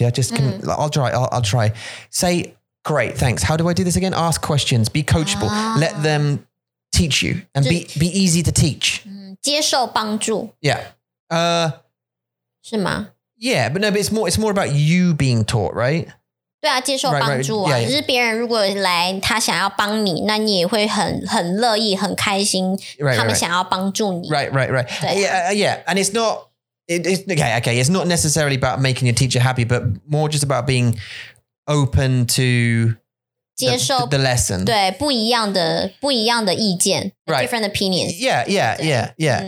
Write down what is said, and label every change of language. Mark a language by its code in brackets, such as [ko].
[en] Yeah. I'll try. Say, great. Thanks. How do I do this again? Ask questions, be coachable, let them teach you and be easy to teach. [zh] 接受帮助. [en] Yeah. [zh] 是吗? [en] Yeah, but no, but it's more about you being taught, right? [zh] 对啊, 接受帮助啊, [en] yeah, yeah. [zh] 就是别人如果来, 他想要帮你, 那你也会很乐意, 很开心, [en] right, [zh] 他们想要帮助你。 [en] Right. Yeah, and it's not, it's not necessarily about making your teacher happy, but more just about being open to [zh] 接受, [en] the lesson. [zh] 对, 不一样的意见, right. [en] Different opinions. Yeah.